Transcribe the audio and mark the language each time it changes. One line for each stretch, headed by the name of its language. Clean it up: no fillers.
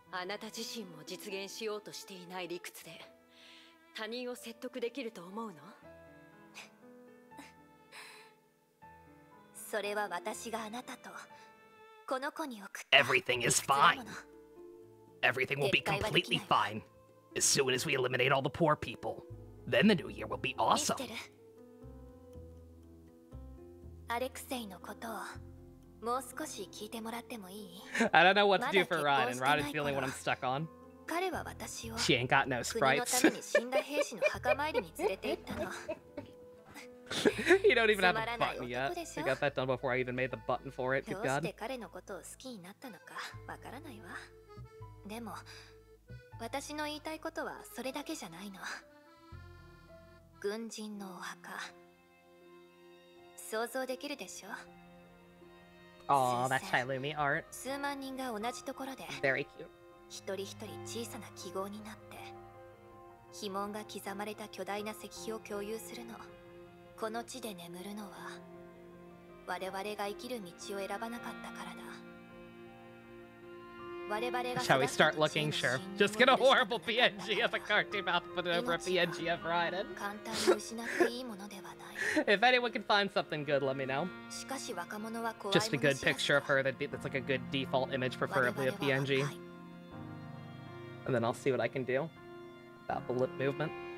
Japanese: あなた自身も実現しようとしていない理屈で他人を説得できると思うの？それは私があなたとこの子に送った。
English: Everything is fine. Everything will be completely fine as soon as we eliminate all the poor people. Then the new year will be awesome.
Japanese: アレクセイのことをもう少し聞いてもらってもいい？
English: I don't know what to do for Ryan, and Ryan is feeling what I'm stuck on.
Japanese: 彼は私を国のために死んだ兵士の墓参りに連れて行ったの。
English: You don't even have a button yet. I got that done before I even made the button for it.
Japanese: どうして彼のことを好きになったのかわからないわ。でも私の言いたいことはそれだけじゃないの。軍人のお墓。想像できるでしょ。
English: Oh, that's Hailumi art.
Japanese: 数万人が同じところで、
English: Very cute.
Japanese: 一人一人小さな記号になって、碑文が刻まれた巨大な石碑を共有するの。この地で眠るのは、我々が生きる道を選ばなかったからだ。我々が
English: Shall we start looking? Sure. Just get a horrible PNG of a cartoon mouth put over a PNG of Raiden.
Japanese: 簡単に失っていいものではない。
English: If anyone can find something good, let me know.
Japanese: しかし若者は怖い。
English: Just a good picture of her that's like a good default image, preferably a PNG. And then I'll see what I can do about the lip movement.